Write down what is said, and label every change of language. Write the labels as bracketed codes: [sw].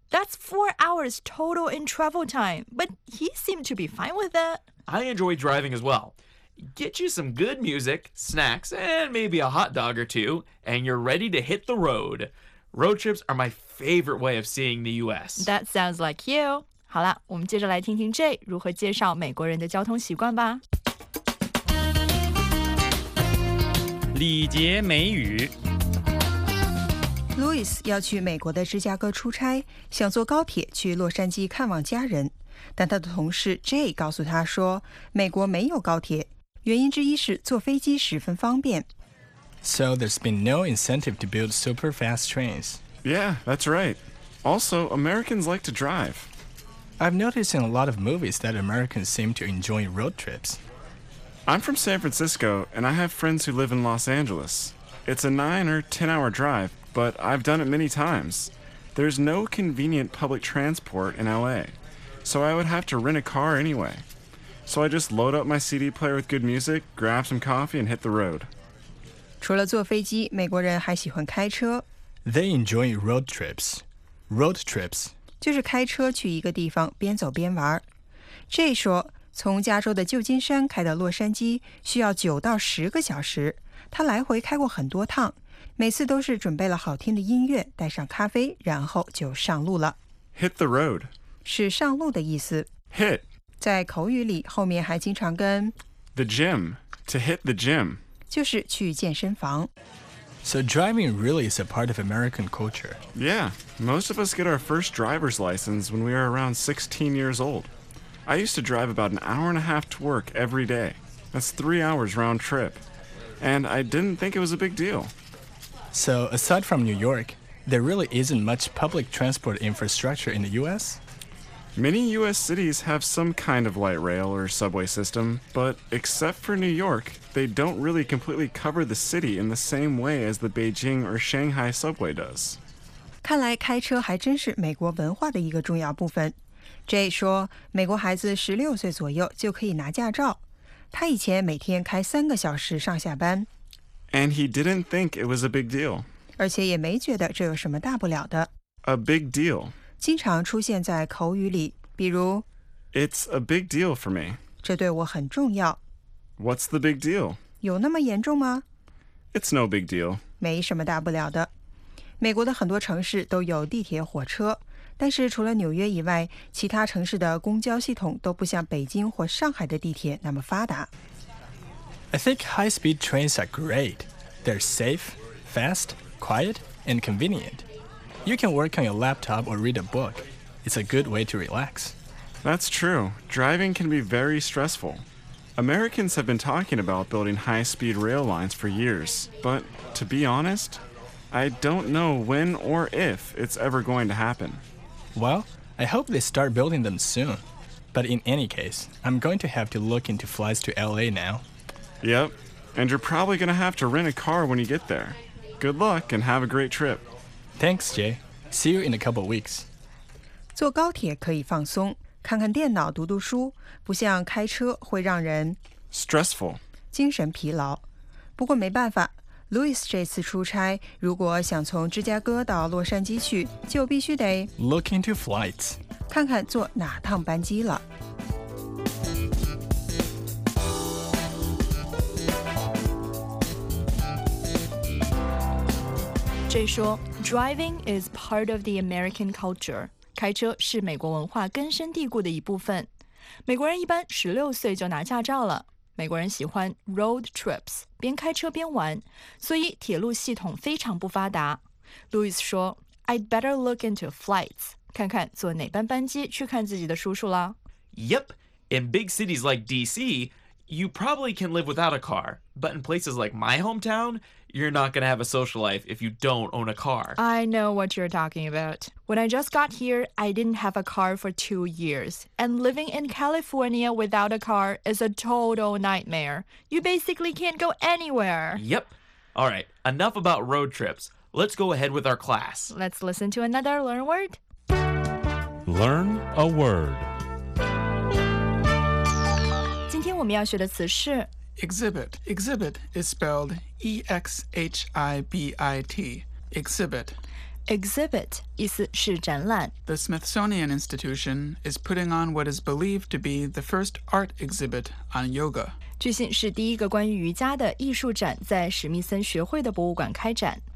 [en] That's 4 hours total in travel time, but he seemed to be fine with that. I enjoy driving as well. Get you some good music, snacks, and maybe a hot dog or two, and you're ready to hit the road. Road trips are my favorite way of seeing the U.S. That sounds like you. [zh] 好了，我们接着来听听 Jay 如何介绍美国人的交通习惯吧。礼节美语 Louis 要去美国的芝加哥出差，想坐高铁去洛杉矶看望家人，但他的同事 Jay 告诉他说美国没有高铁，原因之一是坐飞机十分方便。 [en] So there's been no incentive to build super fast trains. Yeah, that's right. Also, Americans like to drive. I've noticed in a lot of movies that Americans seem to enjoy road trips. I'm from San Francisco and I have friends who live in Los Angeles. It's a 9 or 10 hour driveBut I've done it many times. There's no convenient public transport in LA, so I would have to rent a car anyway. So I just load up my CD player with good music, grab some coffee, and hit the road. [zh] 除了坐飞机，美国人还喜欢开车。 [en] They enjoy road trips. Road trips. [zh] 就是开车去一个地方，边走边玩。 Jay 说，从加州的旧金山开到洛杉矶需要9到10个小时，他来回开过很多趟。每次都是准备了好听的音乐，带上咖啡，然后就上路了。 [en] Hit the road [zh] 是上路的意思。 [en] Hit [zh] 在口语里后面还经常跟 [en] the gym to hit the gym [zh] 就是去健身房。 [en] So driving really is a part of American culture. Yeah, most of us get our first driver's license when we are around 16 years old. I used to drive about an hour and a half to work every day. That's 3 hours round trip, and I didn't think it was a big deal. So, aside from New York, there really isn't much public transport infrastructure in the U.S.? Many U.S. cities have some kind of light rail or subway system, but except for New York, they don't really completely cover the city in the same way as the Beijing or Shanghai subway does. [zh] 看来开车还真是美国文化的一个重要部分。 Jay 说，美国孩子16岁左右就可以拿驾照。他以前每天开3个小时上下班。 [en] And he didn't think it was a big deal. [zh] 而且也没觉得这有什么大不了的。 [en] A big deal. [zh] 经常出现在口语里，比如 [en] It's a big deal for me. [zh] 这对我很重要。 [en] What's the big deal? [zh] 有那么严重吗？ [en] It's no big deal. [zh] 没什么大不了的。美国的很多城市都有地铁、火车，但是除了纽约以外，其他城市的公交系统都不像北京或上海的地铁那么发达。 [en] I think high-speed trains are great. They're safe, fast, quiet, and convenient. You can work on your laptop or read a book. It's a good way to relax. That's true. Driving can be very stressful. Americans have been talking about building high-speed rail lines for years, but to be honest, I don't know when or if it's ever going to happen. Well, I hope they start building them soon. But in any case, I'm going to have to look into flights to LA now. Yep, and you're probably going to have to rent a car when you get there. Good luck and have a great trip. Thanks, Jay. See you in a couple of weeks. [zh] 坐高铁可以放松，看看电脑，读读书，不像开车会让人 [en] stressful, [zh] 精神疲劳。不过没办法， Louis 这次出差，如果想从芝加哥到洛杉矶去，就必须得 [en] look into flights, [zh] 看看坐哪趟班机了。 [en] Jay [zh] 说 [en] driving is part of the American culture. [zh] 开车是美国文化根深蒂固的一部分。美国人一般16岁就拿驾照了。美国人喜欢 [en] road trips, [zh] 边开车边玩。所以铁路系统非常不发达。Louis 说 [en] I'd better look into flights, [zh] 看看坐哪班班机去看自己的叔叔啦。 [en] Yep, in big cities like DC, you probably can live without a car. But in places like my hometown,You're not going to have a social life if you don't own a car. I know what you're talking about. When I just got here, I didn't have a car for 2 years. And living in California without a car is a total nightmare. You basically can't go anywhere. Yep. All right, enough about road trips. Let's go ahead with our class. Let's listen to another Learn Word. Learn a word. [zh] 今天我们要学的词是 [en] Exhibit. Exhibit is spelled E-X-H-I-B-I-T. Exhibit. [zh] Exhibit 意思是展览。 [en] The Smithsonian Institution is putting on what is believed to be the first art exhibit on yoga. [zh] 据信是第一个关于瑜伽的艺术展在史密森学会的博物馆开展。